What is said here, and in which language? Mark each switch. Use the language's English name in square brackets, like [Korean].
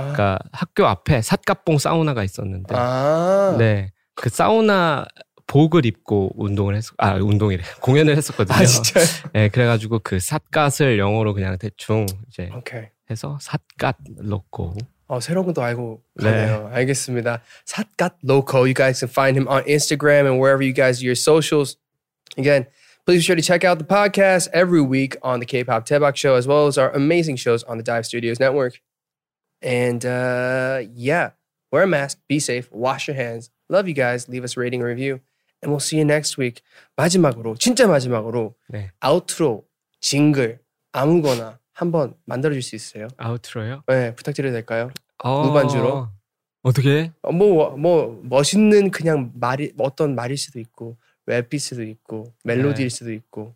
[Korean] 그러니까 학교 앞에 삿갓뽕 사우나가 있었는데. 아. 네. 그 사우나 복을 입고 운동을 했었 아 운동이래 공연을 했었거든요. 아 진짜. 네 그래가지고 그 삿갓을 영어로 그냥 대충 이제 오케이. 해서 삿갓 로코. 새로운 것도 알고 가네요. 네. 알겠습니다. 삿갓 로코. [English] You guys can find him on Instagram and wherever you guys do your socials. Again, please be sure to check out the podcast every week on the K-pop Taebak Show as well as our amazing shows on the Dive Studios Network. And yeah, wear a mask, be safe, wash your hands. Love you guys. Leave us a rating or review. And we'll see you next week. [Korean] 마지막으로, 진짜 마지막으로 네. 아우트로, 징글, 아무거나 한번 만들어줄 수 있어요? 아우트로요? 네, 부탁드려도 될까요? 무반주로? 어떻게? 뭐 멋있는 그냥 말이 어떤 말일 수도 있고 랩일 수도 있고 멜로디일 네. 수도 있고